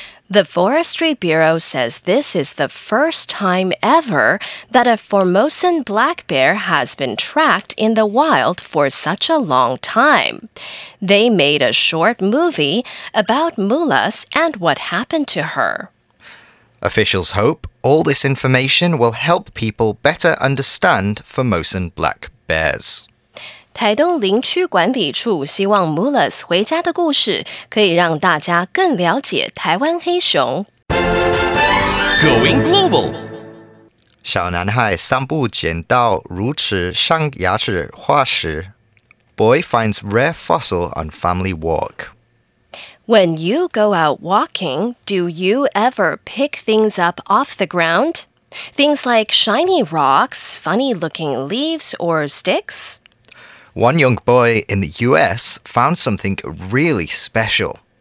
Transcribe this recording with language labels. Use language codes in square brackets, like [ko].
[en] The Forestry Bureau says this is the first time ever that a Formosan black bear has been tracked in the wild for such a long time. They made a short movie about Mulas and what happened to her. Officials hope all this information will help people better understand Formosan black bears. [zh] 台东林区管理处希望 Mulas 回家的故事可以让大家更了解台湾黑熊。 [en] Going global. [zh] 小男孩散步捡到乳齿上牙齿化石。 [en] Boy finds rare fossil on family walk. When you go out walking, do you ever pick things up off the ground? Things like shiny rocks, funny-looking leaves or sticks? One young boy in the U.S. found something really special.